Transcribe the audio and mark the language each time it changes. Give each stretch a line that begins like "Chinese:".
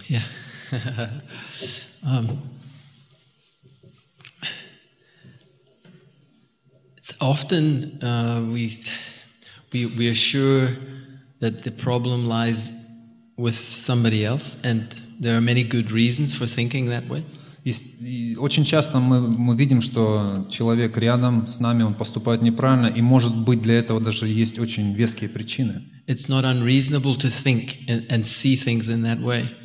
English: Yeah. Often we are sure that the problem lies with somebody else, and there are many good reasons for thinking that way.
Russian: И очень часто мы видим, что человек рядом с нами, он поступает неправильно, и может быть для этого даже есть очень веские причины.
English: It's not unreasonable to think and see things in that way.